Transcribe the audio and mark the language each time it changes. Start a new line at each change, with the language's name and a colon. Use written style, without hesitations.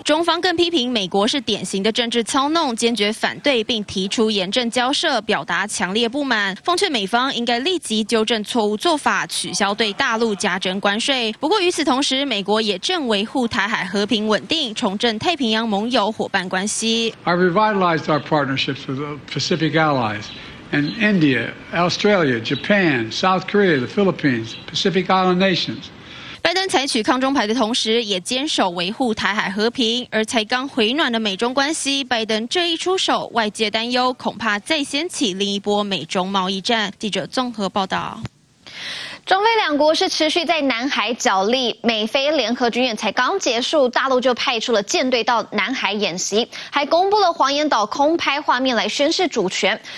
Chinese: 中方更批评美国是典型的政治操弄，坚决反对并提出严正交涉，表达强烈不满，奉劝美方应该立即纠正错误做法，取消对大陆加征关税。不过与此同时，美国也正维护台海和平稳定，重振太平洋盟友伙伴关系。
English: I revitalized our partnerships with the Pacific allies and India, Australia, Japan, South Korea, the Philippines, Pacific Island nations.
Chinese: 拜登采取抗中牌的同时，也坚守维护台海和平。而才刚回暖的美中关系，拜登这一出手，外界担忧恐怕再掀起另一波美中贸易战。记者综合报道。中非两国是持续在南海角力，美菲联合军演才刚结束，大陆就派出了舰队到南海演习，还公布了黄岩岛空拍画面来宣示主权。